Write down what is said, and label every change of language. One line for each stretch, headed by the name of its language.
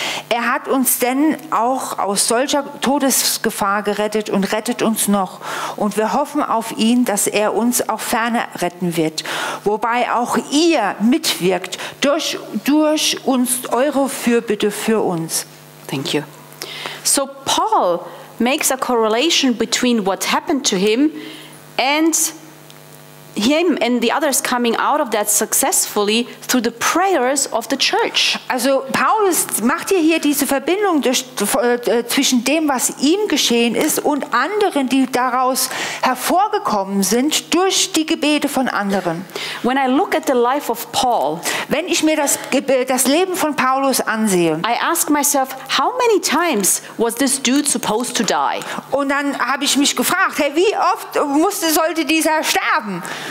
German: Er hat uns denn auch aus solcher Todesgefahr gerettet und rettet uns noch. Und wir hoffen auf ihn, dass er uns auch ferner retten wird. Wobei auch ihr mitwirkt durch uns eure Fürbitte für uns.
English: Thank you. So Paul makes a correlation between what happened to him and the others coming out of that successfully through the prayers of the church.
German: Also Paulus macht hier diese Verbindung zwischen dem, was ihm geschehen ist, und anderen, die daraus hervorgekommen sind durch die Gebete von anderen.
English: When I look at the life of Paul,
German: wenn ich mir das Leben von Paulus ansehe,
English: I ask myself, how many times was this dude supposed to die?
German: Und dann habe ich mich gefragt, hey, wie oft sollte dieser sterben?